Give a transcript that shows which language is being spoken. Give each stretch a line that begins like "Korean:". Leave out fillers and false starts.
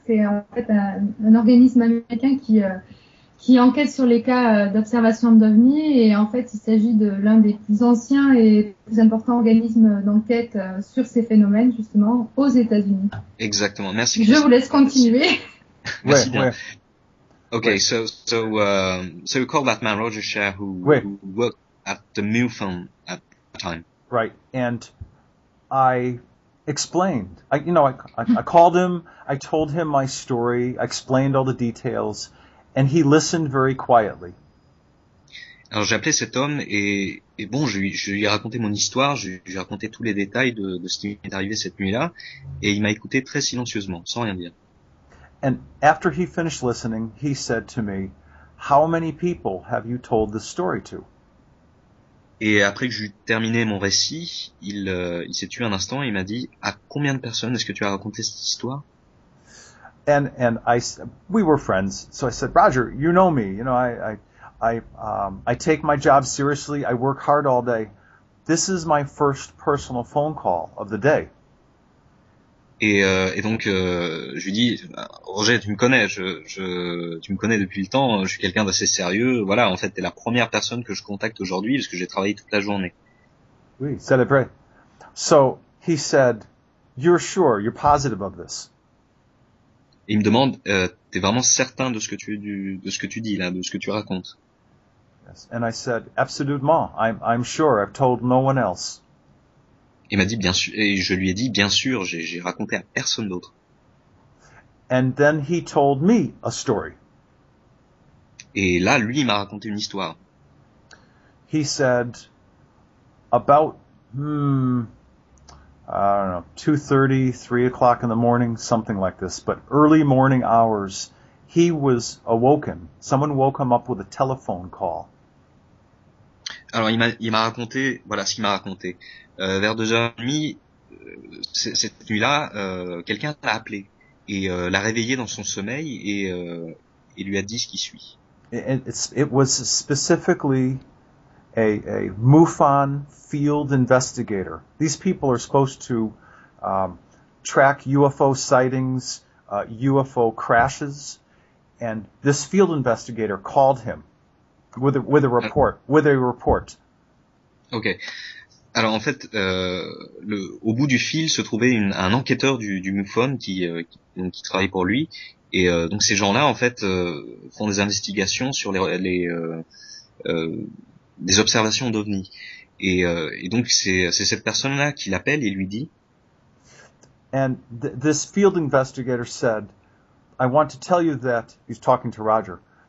French: C'est en fait un organisme américain qui enquête sur les cas d'observation d'OVNI. Et en fait, il s'agit de l'un des plus anciens et plus importants organismes d'enquête sur ces phénomènes, justement, aux États-Unis. Exactement. Merci. Je vous laisse continuer. Merci bien. Ouais.
English: Okay, so we called that man Roger Cher, who worked at the MUFON at the time. Right, and I explained. I called him. I told him my story. I explained all the details, and he listened very quietly.
French: Alors j'ai appelé cet homme et bon, je lui ai raconté mon histoire. Je lui ai raconté tous les détails de ce qui est arrivé cette nuit-là, et il m'a écouté très silencieusement, sans rien dire.
English: And after he finished listening, he said to me, how many people have you told this story to?
French: Et après que j'eus terminé mon récit, il s'est tué un instant et il m'a dit, à combien de personnes est-ce que tu as raconté cette histoire?
English: And I, we were friends, so I said, Roger, you know me, you know, I take my job seriously, I work hard all day. This is my first personal phone call of the day.
French: Et donc, je lui dis, Roger, tu me connais, tu me connais depuis le temps, je suis quelqu'un d'assez sérieux. Voilà, en fait, t'es la première personne que je contacte aujourd'hui parce que j'ai travaillé toute la journée. Oui, c'est vrai.
English: So he said, you're sure, you're positive of this.
French: Et il me demande, t'es vraiment certain de ce que tu dis là, de ce que tu racontes?
English: Yes. And I said, absolutely, I'm sure, I've told no one else.
French: Il m'a dit bien sûr, et je lui ai dit bien sûr, j'ai raconté à personne d'autre.
English: And then he told me a story.
French: Et là, lui, il m'a raconté une histoire.
English: He said, about, I don't know, 2:30, 3 o'clock in the morning, something like this, but early morning hours, he was awoken. Someone woke him up with a telephone call.
French: Alors il m'a raconté, voilà ce qu'il m'a raconté. Vers 2h30, cette nuit-là, quelqu'un l'a appelé et l'a réveillé dans son sommeil et lui a dit ce qui suit.
English: It was specifically a MUFON field investigator. These people are supposed to track UFO sightings, UFO crashes, and this field investigator called him. With a report. Ok.
French: Alors en fait, au bout du fil se trouvait un enquêteur du MUFON qui travaille pour lui. Et donc ces gens-là en fait font des investigations sur les observations d'OVNI. Et donc c'est cette personne-là qui l'appelle et lui dit.
English: And this field investigator said, I want to tell you that he's talking to Roger.